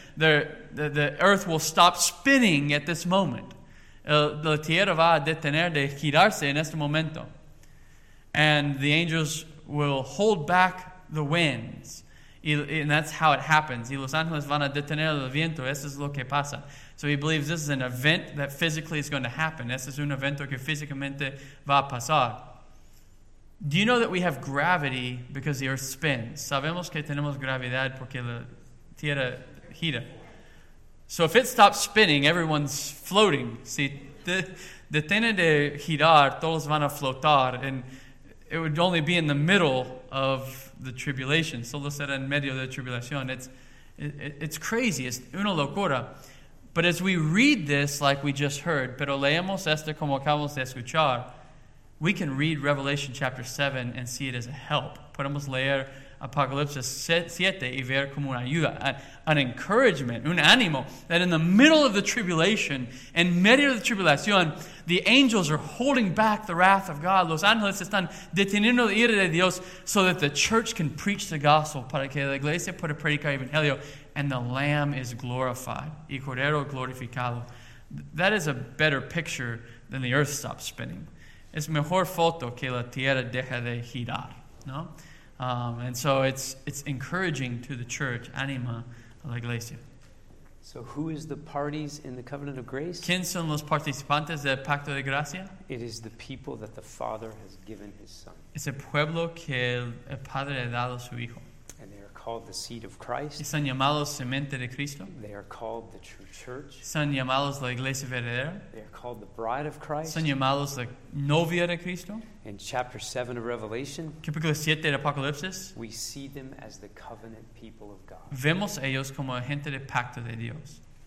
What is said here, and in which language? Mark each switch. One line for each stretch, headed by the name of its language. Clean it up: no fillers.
English: The earth will stop spinning at this moment.
Spanish: La tierra va a detener de girarse en este momento.
English: And the angels will hold back the winds. And that's how it happens.
Spanish: Y los ángeles van a detener el viento. Eso es lo que pasa.
English: So he believes this is an event that physically is going to happen.
Spanish: Este es un evento que físicamente va a pasar.
English: Do you know that we have gravity because the earth spins?
Spanish: Sabemos que tenemos gravedad porque la tierra gira.
English: So if it stops spinning, everyone's floating.
Spanish: Si detiene de girar, todos van a flotar.
English: And it would only be in the middle of the tribulation.
Spanish: Solo será en medio de tribulación.
English: It's crazy.
Spanish: Es una locura.
English: But as we read this, like we just heard,
Spanish: pero leemos esto como acabamos de escuchar,
English: we can read Revelation chapter 7 and see it as a help.
Spanish: Podemos leer Apocalipsis 7 y ver como una ayuda,
English: an encouragement,
Spanish: un ánimo,
English: that in the middle of the tribulation,
Spanish: en medio de la tribulación,
English: the angels are holding back the wrath of God.
Spanish: Los ángeles están deteniendo la ira de Dios
English: so that the church can preach the gospel,
Spanish: para que la iglesia pueda predicar el evangelio,
English: and the Lamb is glorified,
Spanish: y Cordero glorificado.
English: That is a better picture than the earth stops spinning.
Spanish: Es mejor foto que la tierra deja de girar, ¿no?
English: And so it's encouraging to the church,
Spanish: anima a la iglesia.
English: So who is the parties in the covenant of grace?
Spanish: ¿Quién son los participantes del pacto de gracia?
English: It is the people that the Father has given his Son.
Spanish: Es el pueblo que el Padre ha dado su Hijo.
English: And they are called the seed of Christ.
Spanish: Y son llamados semente de Cristo.
English: They are called the true church.
Spanish: Son llamados la iglesia verdadera.
English: They are called the bride of Christ.
Spanish: Son llamados la novia de Cristo.
English: In chapter 7 of Revelation,
Spanish: capítulo 7 de Apocalipsis,
English: we see them as the covenant people of God.
Spanish: Vemos ellos como gente de pacto de Dios.